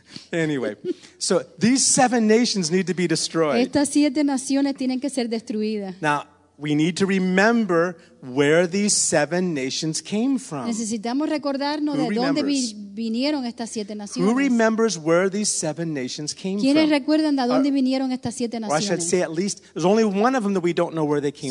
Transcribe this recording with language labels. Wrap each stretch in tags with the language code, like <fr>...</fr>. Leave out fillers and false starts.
<en>Anyway, so these seven nations need to be destroyed.</en> <es>Estas siete naciones tienen que ser destruidas.</es> <en>Now, we need to remember where these seven nations came from.</en> <es>Necesitamos recordarnos</es> <en>Who</en> <es>de</es> <en>remembers?</en> <es>Dónde vinieron estas siete naciones.</es> <en>Who remembers where these seven nations came from?</en> <es>¿Quiénes recuerdan de dónde vinieron estas siete naciones?</es> <en>Or I should say at least, there's only one of them that we don't know where they came</en>